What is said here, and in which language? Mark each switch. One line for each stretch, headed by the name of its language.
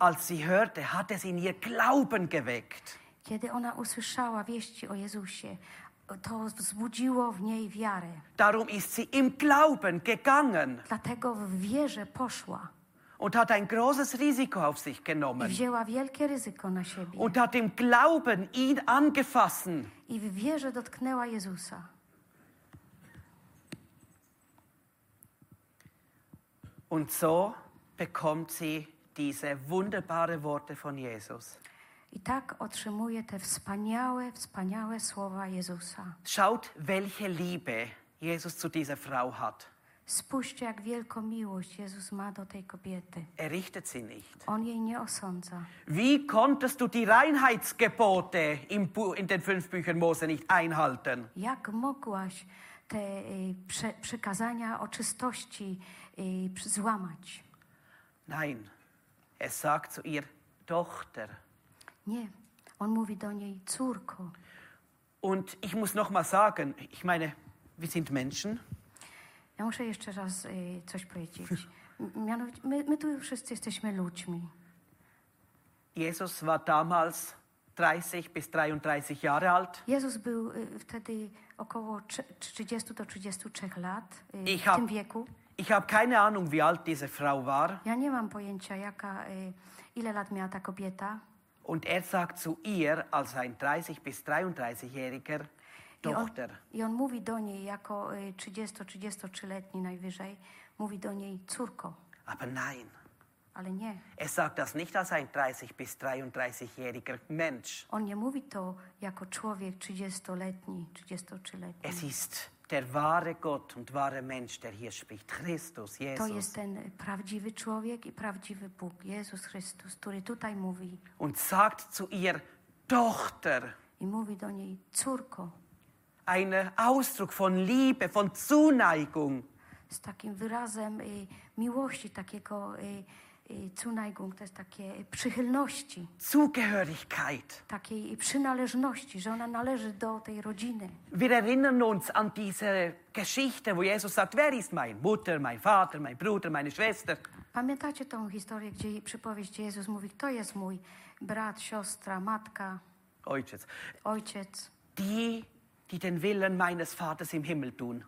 German: Als sie hörte, hat es in ihr Glauben geweckt.
Polish: Kiedy ona usłyszała wieści o Jezusie, to wzbudziło w niej wiarę.
German: Darum ist sie im Glauben gegangen.
Polish: Dlatego w wierze poszła.
German: Und hat ein großes Risiko auf sich genommen.
Polish: I wzięła wielkie ryzyko na siebie.
German: Und hat im Glauben ihn angefasst.
Polish: I w wierze dotknęła Jezusa.
German: Und so bekommt sie diese wunderbare Worte von Jesus.
Polish: I tak otrzymuje te wspaniałe, wspaniałe słowa Jezusa.
German: Schaut, welche Liebe Jesus zu dieser Frau hat.
Polish: Spójrzcie, jak wielką miłość Jezus ma do tej kobiety.
German: Er richtet sie nicht.
Polish: On jej nie osądza.
German: Wie konntest du die Reinheitsgebote in den fünf Büchern Mose nicht einhalten?
Polish: Jak mogłaś te przykazania o czystości złamać?
German: Nein, er sagt zu ihr Tochter.
Polish: Nie, on mówi do niej córko.
German: Und ich muss noch mal sagen, ich meine, wir sind Menschen.
Polish: Ja muszę jeszcze raz coś powiedzieć. Mianowicie, my tu wszyscy jesteśmy ludźmi.
German: Jesus war damals 30 bis 33 Jahre alt.
Polish: Jezus był wtedy około 30 do 33 lat w tym wieku.
German: Ich habe keine Ahnung, wie alt diese Frau war.
Polish: Ja nie mam pojęcia, jaka ile lat miała ta kobieta.
German: Und er sagt zu ihr als ein 30 bis 33-jähriger Tochter.
Polish: I on mówi do niej jako 30-33-letni najwyżej, mówi do niej córko.
German: Aber nein.
Polish: Ale nie.
German: Er sagt das nicht als ein 30 bis 33-jähriger Mensch.
Polish: On nie mówi to jako człowiek 30-letni, 33-letni.
German: Es ist der wahre Gott und wahre Mensch, der hier spricht.
Polish: Christus, Jesus. To jest ten prawdziwy człowiek i prawdziwy Bóg, Jezus Chrystus, który tutaj mówi.
German: Und sagt zu ihr Tochter.
Polish: I mówi do niej córko.
German: Ein Ausdruck von Liebe, von Zuneigung.
Polish: Z takim wyrazem miłości, takiego Zuneigung, to jest takie przychylności.
German: Zugehörigkeit.
Polish: Takiej przynależności, że ona należy do tej rodziny.
German: Wir erinnern uns an diese Geschichte, wo Jesus sagt, wer ist mein Mutter, mein Vater, mein Bruder, meine Schwester?
Polish: Pamiętacie tą historię, gdzie przypowieść Jezus mówi, kto jest mój brat, siostra, matka? Ojciec. Ojciec.
German: Die die den Willen meines Vaters im Himmel tun.